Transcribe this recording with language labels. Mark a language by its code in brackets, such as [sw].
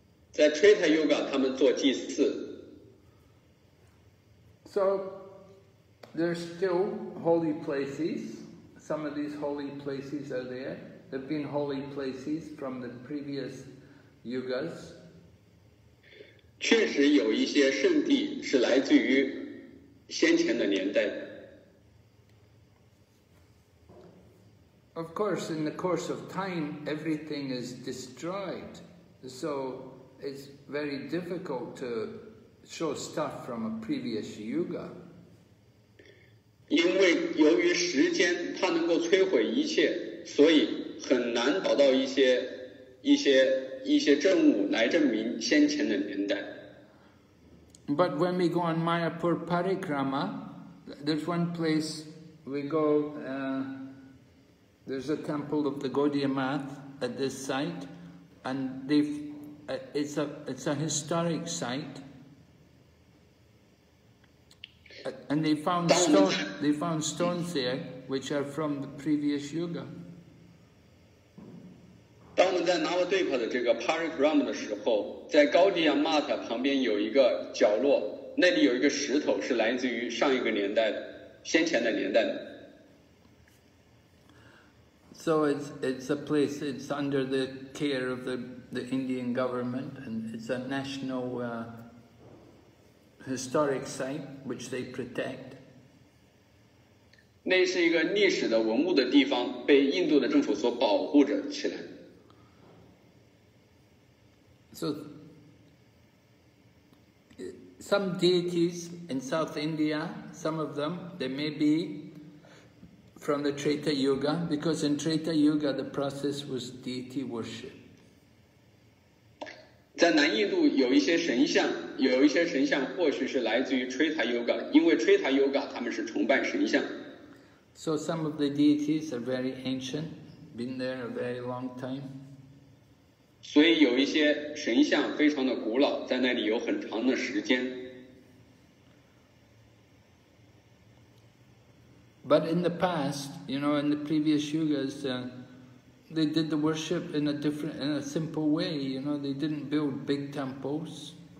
[zh] 在 Treta Yuga 他们做祭祀。 [en] So there's still holy places. Some of these holy places are there. They've been holy places from the previous yugas. [zh] 确实有一些圣地是来自于先前的年代。 [en] Of course, in the course of time, everything is destroyed. So,It's very difficult to show stuff from a previous yuga. [zh] 因为由于时间它能够摧毁一切，所以很难找到一些证物来证明先前的年代。 [en] But when we go on Mayapur Parikrama, there's one place we go, there's a temple of the Gaudiya Math at this site, and it's a historic site, and they found stones there which are from the previous yuga. [zh] 当我们在拿瓦对帕的这个 Parikram 的时候，在高迪亚 Mat 旁边有一个角落，那里有一个石头是来自于上一个年代的，先前的年代的。 [en] So it's a place. It's under the care of the Indian government, and it's a national historic site which they protect. [zh] 那是一个历史的文物的地方，被印度的政府所保护着起来。 [en] So some deities in South India, some of them, they may be. From the Treta Yuga, because in Treta Yuga the process was deity worship. [zh] 在南印度有一些神像或许是来自于 Treta Yuga, 因为 Treta Yuga 他们是崇拜神像。 [en] So some of the deities are very ancient, been there a very long time. [zh] 所以有一些神像非常的古老，在那里有很长的时间。 [en] But in the past, you know, in the previous yugas, they did the worship in a simple way, you know, they didn't build big temples.